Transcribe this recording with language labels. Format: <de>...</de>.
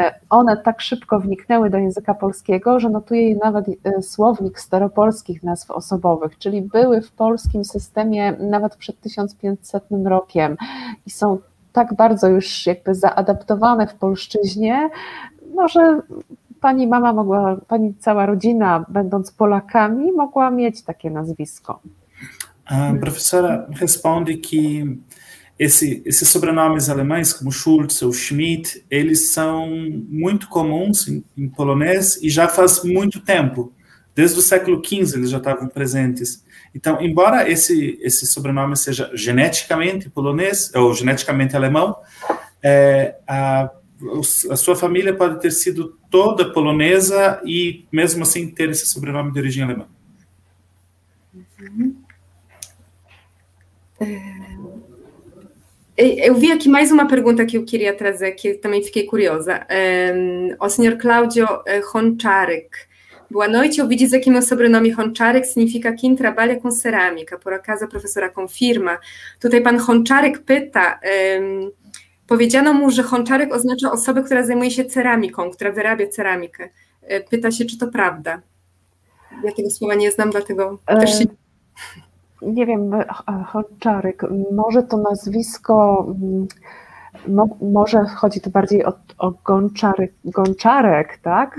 <pl>one tak szybko wniknęły do języka polskiego, że notuje je nawet słownik staropolskich nazw osobowych, czyli były w polskim systemie nawet przed 1500 rokiem i są tak bardzo już jakby zaadaptowane w polszczyźnie, no, że pani mama mogła, pani cała rodzina, będąc Polakami, mogła mieć takie nazwisko.</pl> <pt>Profesora responde que esse sobrenomes alemães, como Schulz ou Schmidt, eles são muito comuns em polonês e já faz muito tempo. Desde o século XV eles já estavam presentes. Então, embora esse sobrenome seja geneticamente polonês ou geneticamente alemão, a sua família pode ter sido toda polonesa e, mesmo assim, ter esse sobrenome de origem alemã. Eu vi aqui mais uma pergunta que eu queria trazer, que também fiquei curiosa. O senhor Cláudio Honcharek. Boa noite, ouvi dizer que meu sobrenome Honcharek significa quem trabalha com cerâmica. Por acaso, a professora confirma.</pt> <pl>Tutaj pan Honcharek pyta... Powiedziano mu, że Honcharek oznacza osobę, która zajmuje się ceramiką, która wyrabia ceramikę. Pyta się, czy to prawda. Ja tego słowa nie znam, dlatego też się... Nie wiem, Honcharek, może to nazwisko, może chodzi to bardziej o Gonczarek, tak?</pl>